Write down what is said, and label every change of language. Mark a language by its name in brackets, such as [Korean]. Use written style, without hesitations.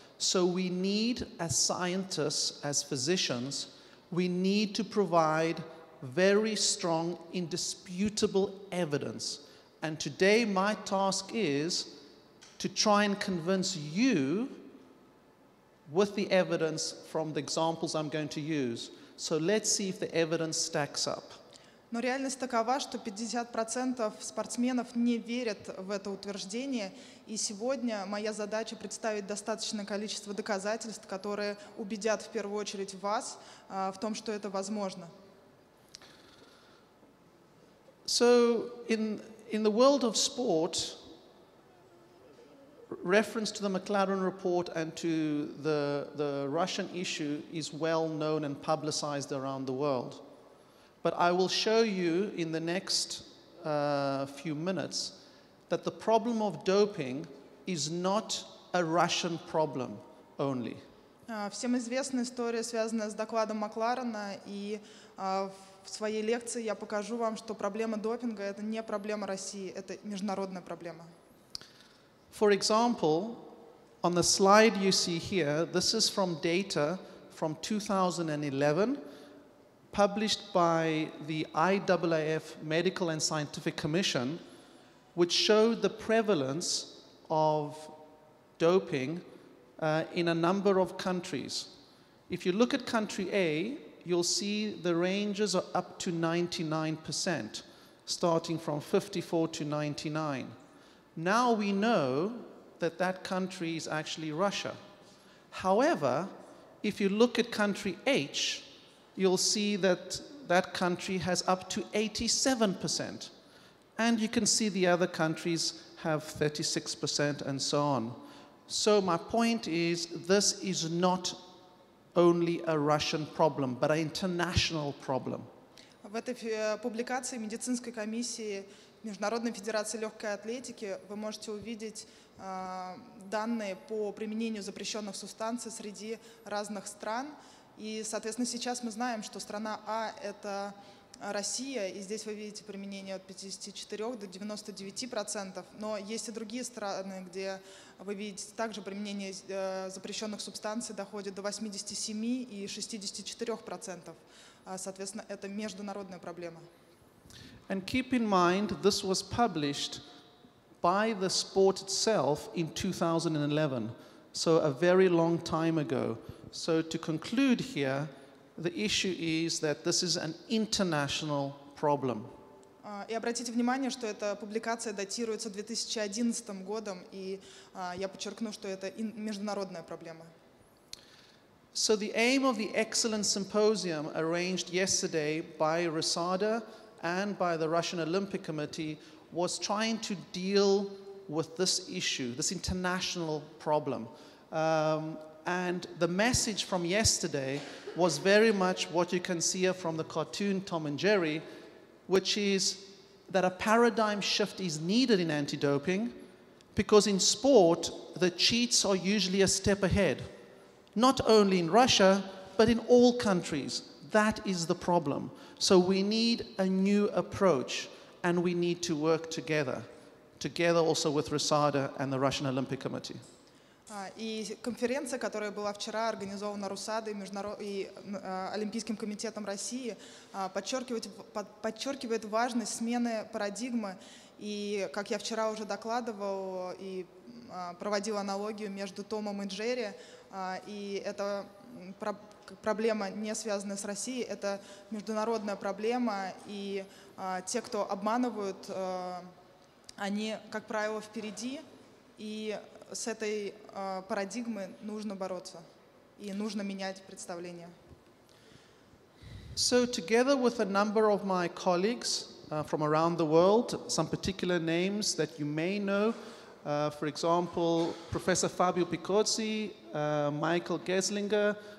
[English] So we need, as scientists, as physicians, we need to provide very strong, indisputable evidence. And today my task is to try and convince you with the evidence from the examples I'm going to use. So let's see if the evidence stacks up. [Russian] Но реальность такова, что 50% спортсменов не верят в это утверждение. И сегодня моя задача представить достаточное количество доказательств, которые убедят в первую очередь вас в том, что это возможно. [English] So in the world of sport, reference to the McLaren report and to the Russian issue is well known and publicized around the world. But I will show you in the next few minutes that the problem of doping is not a Russian problem only. [Russian] Всем известна история, связанная с докладом Макларена, и в своей лекции я покажу вам, что проблема допинга — это не проблема России, это международная проблема. [English] For example, on the slide you see here, this is from data from 2011, published by the IAAF Medical and Scientific Commission, which showed the prevalence of doping in a number of countries. If you look at country A, you'll see the ranges are up to 99%, starting from 54 to 99. Now we know that that country is actually Russia. However, if you look at country H, you'll see that that country has up to 87%. And you can see the other countries have 36% and so on. So my point is, this is not only a Russian problem, but an international problem. [Russian] В этой публикации медицинской комиссии Международной федерации легкой атлетики вы можете увидеть данные по применению запрещенных субстанций среди разных стран. И, соответственно, сейчас мы знаем, что страна А — это Россия, и здесь вы видите применение от 54 до 99%, но есть и другие страны, где вы видите также применение запрещенных субстанций доходит до 87 и 64%. Соответственно, это международная проблема. [English] And keep in mind, this was published by the sport itself in 2011, so a very long time ago. So to conclude here, the issue is that this is an international problem. [Russian] И обратите внимание, что эта публикация датируется 2011 годом, и я подчеркну, что это международная проблема. [English] So the aim of the excellent symposium arranged yesterday by RASADA and by the Russian Olympic Committee was trying to deal with this issue, this international problem. And the message from yesterday was very much what you can see here from the cartoon Tom and Jerry, which is that a paradigm shift is needed in anti-doping, because in sport, the cheats are usually a step ahead, not only in Russia, but in all countries. That is the problem. So we need a new approach, and we need to work together, together also with RASADA and the Russian Olympic Committee. [Russian] И конференция, которая была вчера организована РУСАДой и Олимпийским комитетом России, подчеркивает важность смены парадигмы. И, как я вчера уже докладывал и проводил аналогию между Томом и Джерри, и эта проблема не связана с Россией, это международная проблема, и те, кто обманывают, они, как правило, впереди, и с этой парадигмы нужно бороться и нужно менять представление. [English] So together with a number of my colleagues from around the world, some particular names that you may know, for example, Professor Fabio Picozzi, Michael Geslinger,